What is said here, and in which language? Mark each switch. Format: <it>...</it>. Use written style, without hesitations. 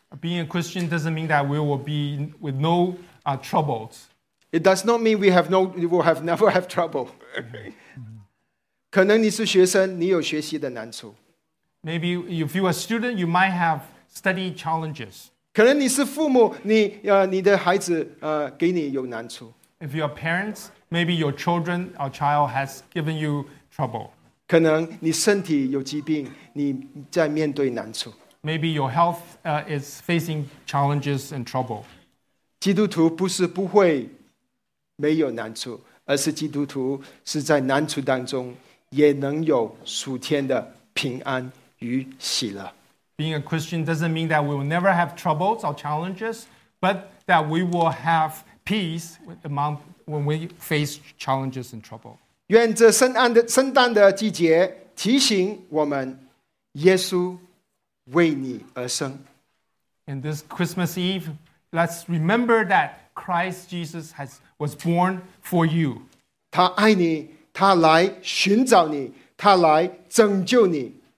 <en>Being a Christian doesn't mean that we will be with no troubles. It does not mean we will never have trouble.</en> <zh>可能你是学生，你有学习的难处。</zh> <en>Maybe if you are a student, you might have study challenges.</en> <zh>可能你是父母，你的孩子给你有难处。</zh> <en>If you are parents, maybe your children or child has given you trouble.</en> <zh>可能你身体有疾病，你在面对难处。</zh> <en>Maybe your health is facing challenges and trouble.</en> <zh>基督徒不是不会。没有难处，而是基督徒是在难处当中也能有属天的平安与喜乐。</zh> <en>Being a Christian doesn't mean that we will never have troubles or challenges, but that we will have peace among, when we face challenges and trouble.</en> <zh>愿这圣诞的季节提醒我们，耶稣为你而生。</zh> <en>And this Christmas Eve, let's remember that Christ Jesus was born for you.</en> <zh>他爱你，他来寻找你，他来拯救你。</zh>